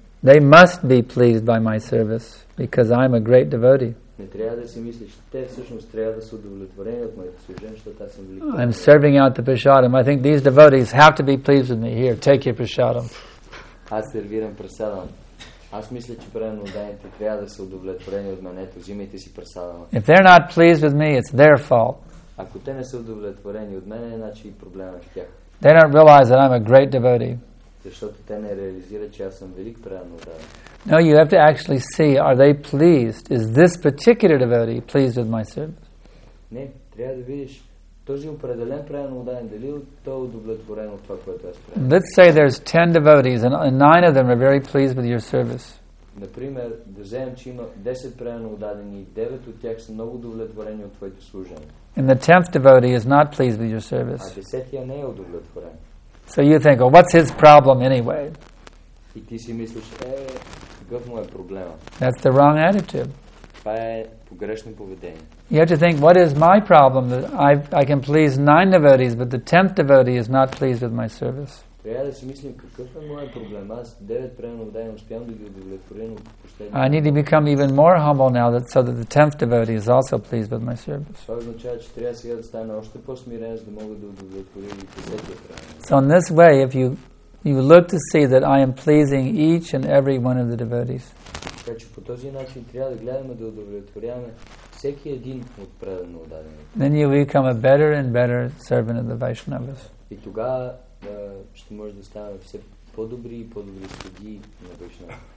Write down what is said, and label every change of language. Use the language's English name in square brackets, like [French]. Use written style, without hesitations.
[English] They must be pleased by my service because I'm a great devotee. [Bulgarian] Не трябва да си мислиш, те всъщност трябва да са удовлетворени от моето служение, защото аз съм велик. [English] I'm serving out the prasadam. I think these devotees have to be pleased with me. Here, take your prasadam. [Bulgarian] Аз сервирам прасадам. Аз мисля, че правилно дайте трябва да са удовлетворени от мене. Взимайте си прасадама. [English] If they're not pleased with me, it's their fault. [Bulgarian] Ако те не са удовлетворени от мене, значи и проблема е в тях. [English] They don't realize that I'm a great devotee. [Bulgarian] Защото те не реализират, че аз съм велик правилно дайте. [English] No, you have to actually see, are they pleased? Is this particular devotee pleased with my service? [Bulgarian] Не, трябва да видиш този определен правилно отдаден, дали той е удовлетворен от това, което аз правя. [English] Let's say there's 10 devotees and 9 of them are very pleased with your service. [Bulgarian] Например, да вземем, че има 10 правилно отдадени и 9 от тях са много удовлетворени от твоето служение. [English] And the 10th devotee is not pleased with your service. [Bulgarian] А 10-тия не е удовлетворен. [English] So you think, well, what's his problem anyway? [Bulgarian] И ти си мислиш, какъв му е проблема? [English] That's the wrong attitude. [Bulgarian] Това е погрешно поведение. [English] You have to think, what is my problem that I can please 9 devotees, but the 10th devotee is not pleased with my service. [Bulgarian] Трябва да си мислим, какъв е моят проблем? Аз 9 правилно отдадени успявам да ги удовлетворя, но последния. [English] I need to become even more humble now that so that the 10th devotee is also pleased with my service. [Bulgarian] Това означава, че трябва сега да стане още по-смирен, за да мога да удовлетворя и 10-тия правилно. [English] So in this way, if you look to see that I am pleasing each and every one of the devotees. [Bulgarian] Така че по този начин трябва да гледаме да удовлетворяваме всеки един от правилно отдадените. [English] Then you become a better and better servant of the Vaishnavas. [Bulgarian] И тогава ще може да ставаме все по-добри и по-добри слуги на Вайшнава.